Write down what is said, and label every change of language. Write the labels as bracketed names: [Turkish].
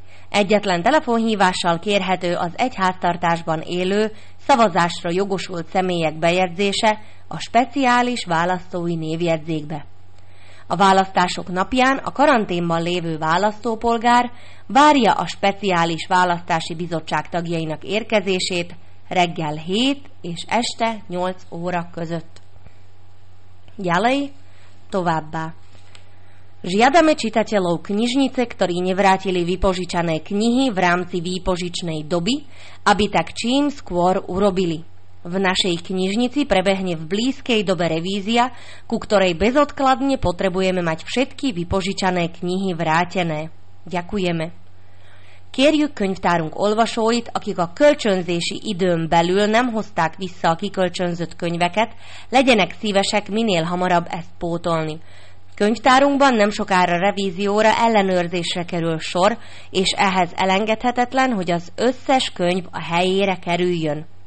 [Hungarian] Egyetlen telefonhívással kérhető az egyháztartásban élő, szavazásra jogosult személyek bejegyzése a speciális választói névjegyzékbe. A választások napján a karanténban lévő választópolgár várja a speciális választási bizottság tagjainak érkezését reggel 7 és este 8 óra között. [Slovak] Ďalej, [Hungarian] továbbá. [Slovak] Žiadame čitateľov knižnice, ktorí nevrátili vypožičané knihy v rámci výpožičnej doby, aby tak čím skôr urobili. V našej knižnici prebehne v blízkej dobe revízia, ku ktorej bezodkladne potrebujeme mať všetky vypožičané knihy vrátené. Ďakujeme. [Hungarian] Kérjük könyvtárunk olvasóit, akik a kölcsönzési időn belül nem hozták vissza a kikölcsönzött könyveket, legyenek szívesek minél hamarabb ezt pótolni. Könyvtárunkban nem sokára revízióra ellenőrzésre kerül sor, és ehhez elengedhetetlen, hogy az összes könyv a helyére kerüljön.